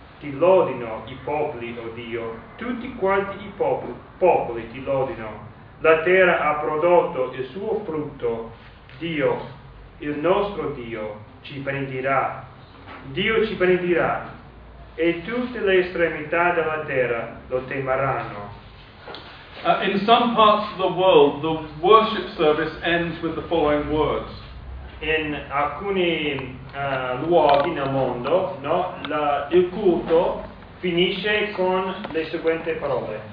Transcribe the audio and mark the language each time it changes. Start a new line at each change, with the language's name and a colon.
Italian: Ti lodino i popoli, oh Dio, tutti quanti i popoli ti lodino. La terra ha prodotto il suo frutto. Dio, il nostro Dio, ci benedirà. Dio ci benedirà. E tutte le estremità della terra lo temeranno.
English: In some parts of the world, the worship service ends with the following words.
Italian: In alcuni luoghi nel mondo, no, il culto finisce con le seguenti parole.